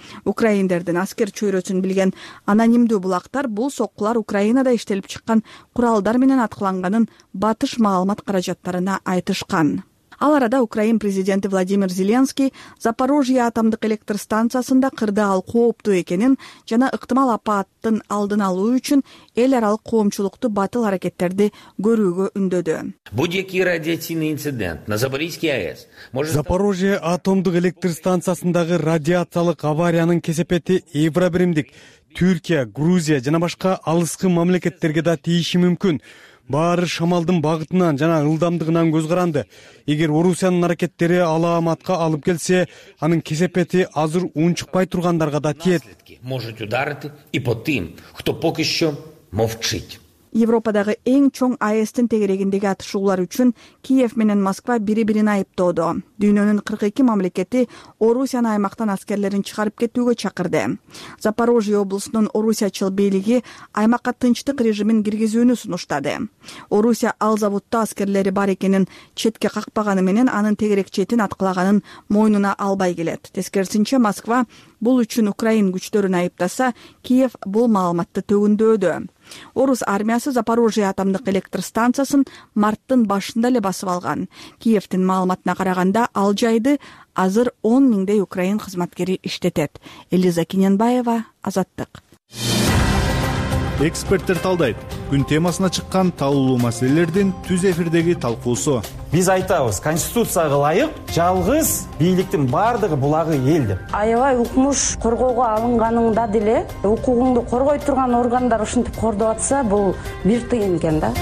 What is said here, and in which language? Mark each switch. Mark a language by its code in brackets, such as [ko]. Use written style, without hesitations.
[ky] Украиндердин аскер чөйрөсүн билген анонимдүү булактар бул соккулар Украинада иштелип чыккан куралдар менен аткыланганын батыш маалымат каражаттарына айтышкан. Ал арада Украин президенти Владимир Зеленский Запорожье атомдук электр станциясында кырды ал кооптуу экенин жана ыктымал апааттын алдын алуу үчүн эл аралык коомчулукту батыл аракеттерди көрүүгө үндөдү. [uk] Будь-який [ru] радиационный инцидент на Запорожской АЭС. [ky] Запорожье атомдук электр станциясындагы радиациялык авариянын кесепети Евробиримдик, Түркия, Грузия жана башка алыскы мамлекеттерге да тийиши мүмкүн. Баары шамалдын багытынан жана ылдамдыгынан көз каранды. Эгер Орусиянын аракеттери алааматка алып келсе, анын кесепети азыр унчукпай тургандарга да тиет. [ru] Может ударить и по тем, кто пока что молчит. [ky] Европадагы эң чоң АЭС-тин тегерегиндеги атышуулар үчүн Киев менен Москва бири-бирин айыптоодо. Дүйнөнүн 42 мамлекети Орусиянын аймактан аскерлерин чыгарып кетүүгө чакырды. Запорожье облусунун Орусиячыл бийлиги аймакка тынчтык режимин киргизүүнү сунуштады. Орусия ал заводто аскерлери бар экенин четке какпаганы менен анын тегерек четин аткылаганын мойнуна албай келет. Тескерисинче Москва бул үчүн Украин күчтөрүн айыптаса, Киев бул маалыматты төгүндөөдө. Орус армиясы Запорожье атомдук электр станциясын марттын башында эле басып алган. Киевтин маалыматына караганда ал жайды азыр 10 000 украин кызматкери иштетет. Элиза Кененбаева, Азаттык. Эксперттер талдайт. Күн темасына чыккан талуулуу маселелердин түз эфирдеги талкуусу. Биз айтабыз, конституцияга ылайык, жалгыз бийликтин бардыгы булагы эл деп. Аябай укмуш коргоого алынганыңда деле, укугуңду коргой турган органдар ушинтип кордоп атса, бул бир тыйын экен да.